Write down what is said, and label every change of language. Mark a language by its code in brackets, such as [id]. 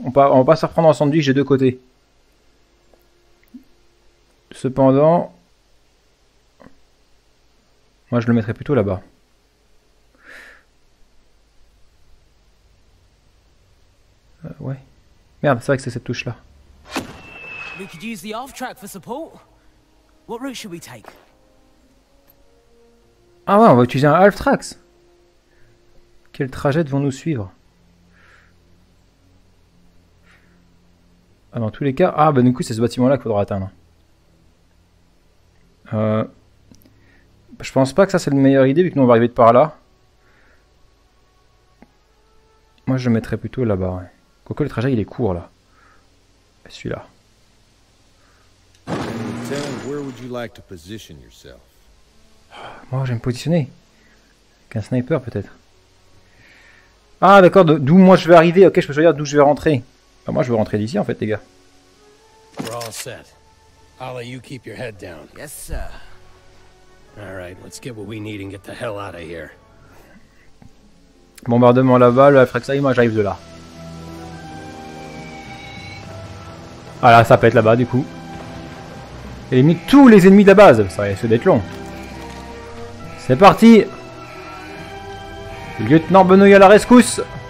[fr] On va pas se reprendre en sandwich, j'ai deux côtés. Cependant... Moi, je le mettrais plutôt là-bas. Ouais. Merde, c'est vrai que c'est cette touche-là. [en] We could use the off-track for support. What route should we take? [fr] Ah ouais, on va utiliser un half-track. Quel trajet devons-nous suivre? Ah, dans tous les cas... Ah, bah du coup, c'est ce bâtiment-là qu'il faudra atteindre. Je pense pas que ça, c'est la meilleure idée, vu que nous, on va arriver de par là. Moi, je le mettrais plutôt là-bas. Hein. Quoique, le trajet, il est court, là. Celui-là. [en] Where would you like to position yourself? [fr] Moi, j'aime positionner. Avec un sniper, peut-être. Ah d'accord, d'où moi je vais arriver, ok, je peux choisir d'où je vais rentrer. Enfin, moi je veux rentrer d'ici en fait les gars. [en] We're all set. Ollie, you keep your head down. Yes, sir. Alright, let's get what we need and get the hell out of here. [fr] Bombardement là-bas, le Frexai, moi j'arrive de là. Ah là, ça pète là-bas du coup. Éliminer tous les ennemis de la base, ça va essayer d'être long. C'est parti! Lieutenant Benoît à la rescousse!